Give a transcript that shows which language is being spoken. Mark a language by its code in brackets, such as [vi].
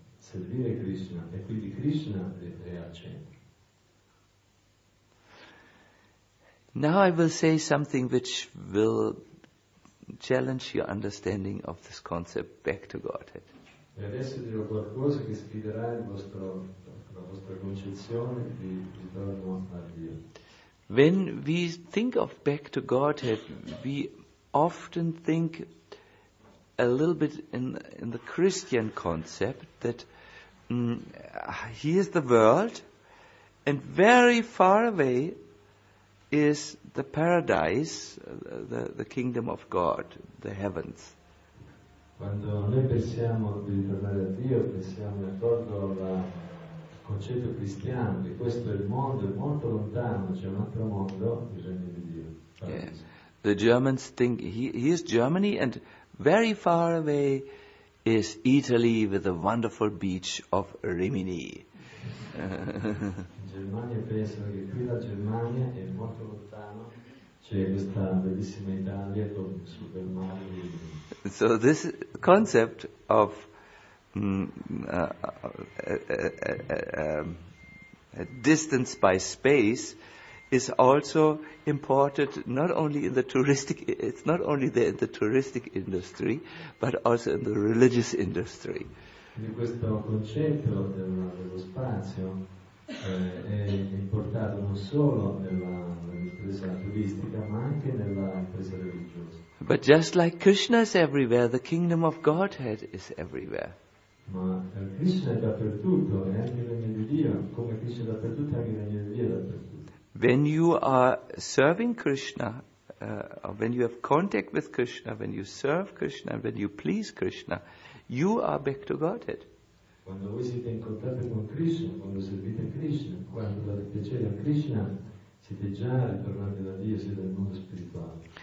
[it] servire Krishna, e quindi Krishna è al centro. [en] Now I will say something which will challenge your understanding of this concept back to Godhead. [it] E adesso dirò qualcosa che sfiderà il vostro, la vostra concezione di ritorno a Dio. [en] When we think of back to Godhead, we often think a little bit in the Christian concept that here is the world, and very far away is the paradise, the kingdom of God, the heavens. [it] Quando noi pensiamo di tornare a Dio, pensiamo attorno alla concetto cristiano che questo è il mondo, è molto lontano, c'è un altro mondo, il regno di Dio. [en] The Germans think he is Germany, and very far away is Italy with the wonderful beach of Rimini. [it] Germania pensa che qui la Germania è molto lontano, c'è questa bellissima Italia con sul bel mare. [en] So this concept of distance by space is also important not only in the touristic, it's not only there in the touristic industry, but also in the religious industry. [it] Di questo concetto dello spazio è importato non solo nell'impresa turistica, ma anche nell'impresa religiosa. [en] But just like Krishna is everywhere, the kingdom of Godhead is everywhere. [it] Ma Krishna è dappertutto, è anche il regno di Dio, come Krishna è dappertutto, è anche il regno di Dio dappertutto. [en] When you are serving Krishna, when you have contact with Krishna, when you serve Krishna, when you please Krishna, you are back to Godhead. [it] Quando voi siete in contatto con Krishna, quando servite Krishna, quando date piacere a Krishna, siete già ritornati da Dio, siete nel mondo spirituale.